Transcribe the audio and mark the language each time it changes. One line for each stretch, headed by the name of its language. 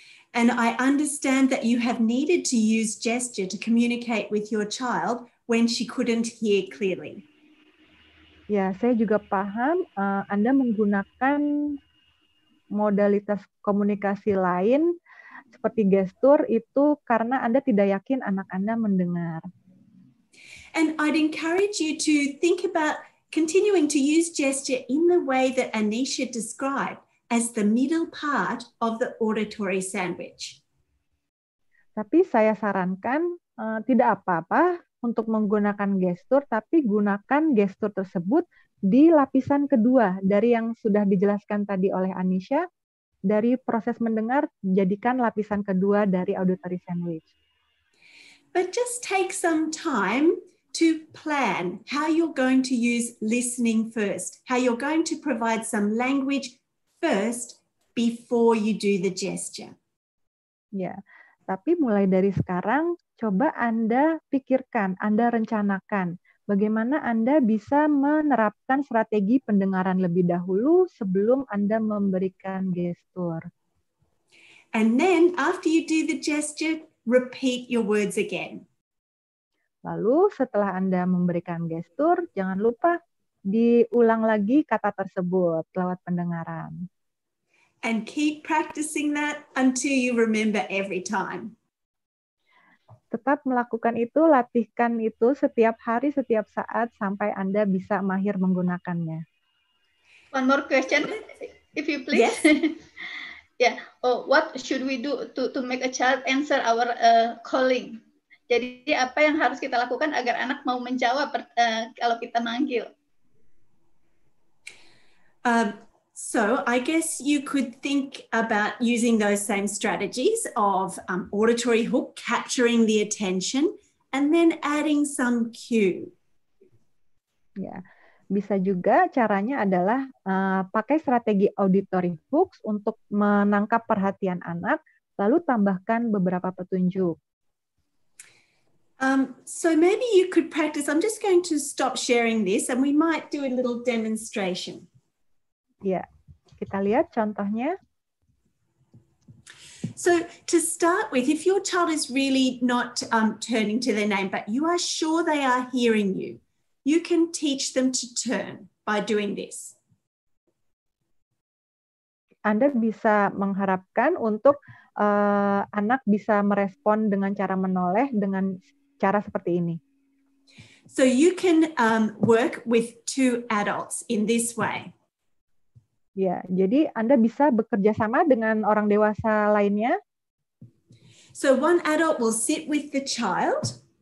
English: And I understand that you have needed to use gesture to communicate with your child when she couldn't hear clearly.
Indonesian: Ya, saya juga paham Anda menggunakan modalitas komunikasi lain seperti gestur itu karena Anda tidak yakin anak Anda mendengar.
English: And I'd encourage you to think about continuing to use gesture in the way that Anisha described as the middle part of the auditory sandwich.
Indonesian: Tapi saya sarankan tidak apa-apa untuk menggunakan gestur, tapi gunakan gestur tersebut di lapisan kedua dari yang sudah dijelaskan tadi oleh Anisha. Dari proses mendengar, jadikan lapisan kedua dari auditory sandwich.
English: But just take some time to plan how you're going to use listening first, how you're going to provide some language first before you do the gesture.
Indonesian: Ya, tapi mulai dari sekarang, coba Anda pikirkan, Anda rencanakan. Bagaimana Anda bisa menerapkan strategi pendengaran lebih dahulu sebelum Anda memberikan gestur?
English: And then after you do the gesture, repeat your words again.
Indonesian: Lalu setelah Anda memberikan gestur, jangan lupa diulang lagi kata tersebut lewat pendengaran.
English: And keep practicing that until you remember every time.
Indonesian: Tetap melakukan itu, latihkan itu setiap hari, setiap saat, sampai Anda bisa mahir menggunakannya.
English: One more question, if you please. Yes. Yeah. Oh, what should we do to make a child answer our calling?
Indonesian: Jadi, apa yang harus kita lakukan agar anak mau menjawab kalau kita manggil?
English: So I guess you could think about using those same strategies of auditory hook, capturing the attention, and then adding some cue.
Indonesian: Ya, bisa juga caranya adalah pakai strategi auditory hooks untuk menangkap perhatian anak, lalu tambahkan beberapa petunjuk.
English: So maybe you could practice, I'm just going to stop sharing this, and we might do a little demonstration.
Indonesian: Ya. Kita lihat contohnya.
English: So to start with, if your child is really not turning to their name, but you are sure they are hearing you, you can teach them to turn by doing this.
Indonesian: Anda bisa mengharapkan untuk anak bisa merespon dengan cara menoleh dengan cara seperti ini.
English: So you can work with two adults in this way.
Indonesian: Ya, jadi Anda bisa bekerja sama dengan orang dewasa lainnya.
English: So one adult will sit with the child.